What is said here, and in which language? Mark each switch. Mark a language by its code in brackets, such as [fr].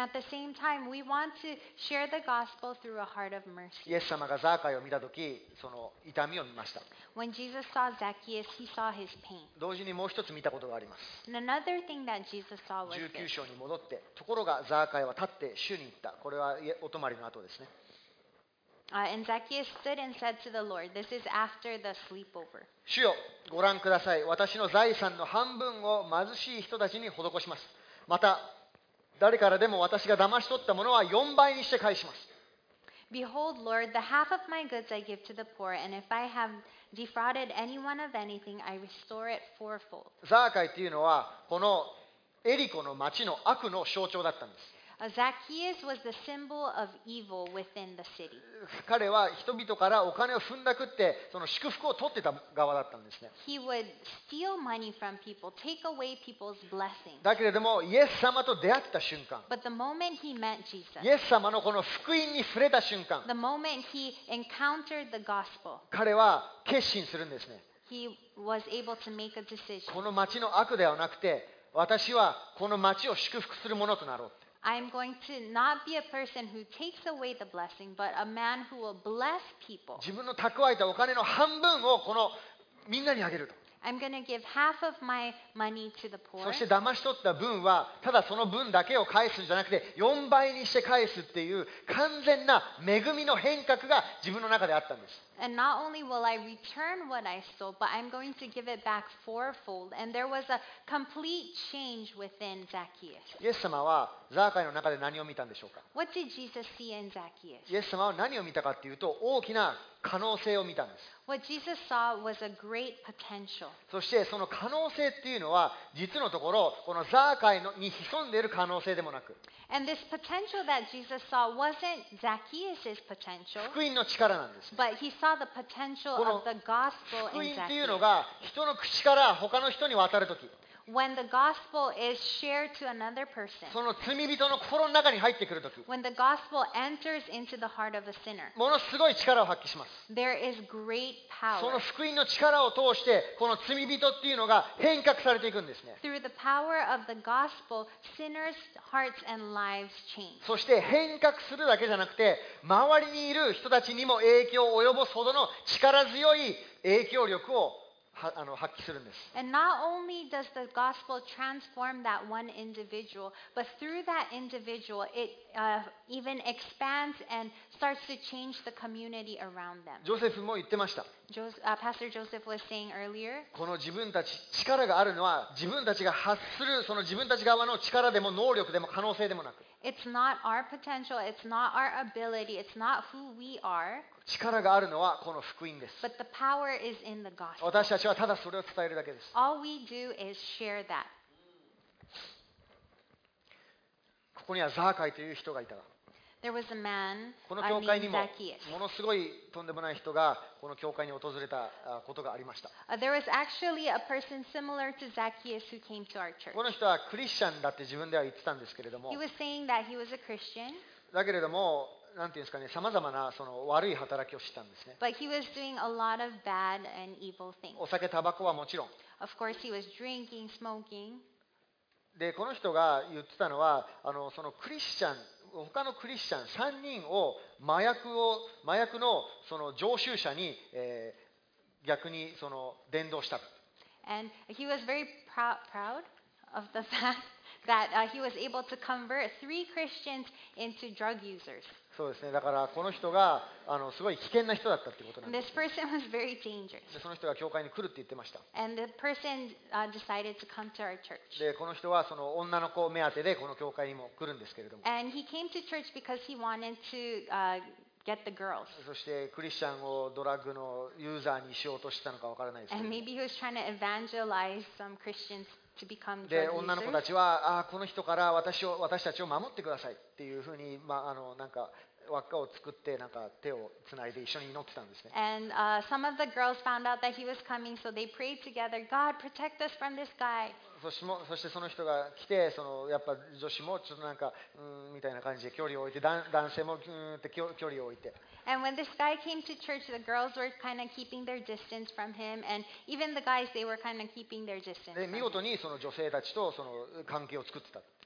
[en] And at the same time, we want to share the gospel through a heart of mercy. [ja] イエス様がザーカイを見たとき、その痛みを見ました。 [en] When Jesus saw Zacchaeus, he saw his pain. [ja] 同時にもう一つ見たことがあります。 [en] And another thing that Jesus saw was this. [ja] 19章に戻って、ところがザーカイは立って主に言った。これはお泊まりの後ですね。 [en] And Zacchaeus stood and said to the Lord, "This is after the sleepover." [ja] 主よ、ご覧ください。私の財産の半分を貧しい人たちに施します。また、誰からでも私が騙し取ったものは四倍にして返します。 [en] Behold, Lord, the half of my goods I give to the poor, and if I have defrauded anyone of anything, I restore it fourfold. [ja] ザーカイというのはこのエリコの町の悪の象徴だったんです。 [en] Zacchaeus was the symbol of evil within the city. [ja] 彼は人々からお金をふんだくってその祝福を取ってた側だったんですね。 [en] He would steal money from people, take away people's blessings. [ja] だけれどもイエス様と出会った瞬間、 [en] But the moment he met Jesus, [ja] イエス様のこの福音に触れた瞬間、 [en] The moment he encountered the gospel, [ja] 彼は決心するんですね。 [en] He was able to make a decision. [ja] この町の悪ではなくて、私はこの町を祝福するものとなろう。 [en] I'm going to not be a person who takes away the blessing, but a man who will bless people. [ja] 自分の蓄えたお金の半分をこのみんなにあげると。 [en] I'm going to give half of my money to the poor. [ja] そして騙し取った分はただその分だけを返すんじゃなくて4倍にして返すっていう完全な恵みの変革が自分の中であったんです。 [en] And not only will I return what I stole, but I'm going to give it back fourfold. And there was a complete change within Zacchaeus. [ja] イエス様はザーカイの中で何を見たんでしょうか。 [en] What did Jesus see in Zacchaeus? [ja] イエス様は何を見たかっていうと大きな可能性を見たんです。 [en] What Jesus saw was a great potential. [ja] そしてその可能性っていうのは実のところこのザーカイに潜んでいる可能性でもなく。 [en] And this potential that Jesus saw wasn't Zacchaeus's potential. [ja] 福音の力なんです。 [en] But he saw the potential of the gospel in Zacchaeus. [ja] 福音っていうのが人の口から他の人に渡るとき。 [en] When the gospel is shared to another person, [ja] その罪人の心の中に入ってくるとき、 [en] when the gospel enters into the heart of a sinner, [ja] ものすごい力を発揮します。 [en] There is great power. [ja] その福音の力を通してこの罪人っていうのが変革されていくんですね。 [en] Through the power of the gospel, sinners' hearts and lives change. [ja] そして変革するだけじゃなくて、周りにいる人たちにも影響を及ぼすほどの力強い影響力を発揮するんです。 [en] And not only does the gospel transform that one individual, but through that individual, it even expands and starts to change the community around them. [ja] ジョセフも言ってました。 [en] Pastor Joseph was saying earlier, [ja] この自分たち力があるのは自分たちが発するその自分たち側の力でも能力でも可能性でもなく。 [en] It's not our potential, it's not our ability, it's not who we are. [ja] 力があるのはこの福音です。 [en] But the power is in the gospel. [ja] 私たちはただそれを伝えるだけです。 [en] All we do is share that. [ja] ここにはザーカイという人がいた。 [en] There was a man, [ja] この教会にもものすごいとんでもない人がこの教会に訪れたことがありました。 [en] There was actually a person similar to Zacchaeus who came to our church. [ja] この人はクリスチャンだって自分では言ってたんですけれども。 [en] He was saying that he was a Christian. [ja] だけれども。なんていうんですかね、さまざまなその悪い働きをしたんですね。 [en] But he was doing a lot of bad and evil things. [ja] お酒、タバコはもちろん。 [en] Of course, he was drinking, smoking. [ja] で、この人が言ってたのは、そのクリスチャン、他のクリスチャン3人を麻薬の その常習者に、逆にその伝道した。 [en] And he was very proud of the fact that he was able to convert three Christians into drug users. [ja] そうですね、だからこの人がすごい危険な人だったということなんです、ね、 [en] This person was very dangerous. [ja] でその人が教会に来るって言ってました。 [en] And the person decided to come to our church. [ja] でこの人はその女の子目当てでこの教会にも来るんですけれども。 [en] And he came to church because he wanted to get the girls. [ja] そしてクリスチャンをドラッグのユーザーにしようとしたのかわからないですけど。 [en] And maybe he was trying to evangelize some Christians to become drug users. [ja] で、女の子たちは、あ、この人から私たちを守ってくださいっていうふうに、まあ、なんか輪っかを作ってなんか手をつないで一緒に祈ってたんですね。 [en] And some of the girls found out that he was coming, so they prayed together. God protect us from this guy. [ja] そしてその人が来て、そのやっぱ女子もちょっとなんかうんみたいな感じで距離を置いて、男性もうんって距離を置いて。 [en] And when this guy came to church, the girls were kind of keeping their distance from him, and even the guys, they were kind of keeping their distance. [ja] で見事にその女性たちとその関係を作ってた。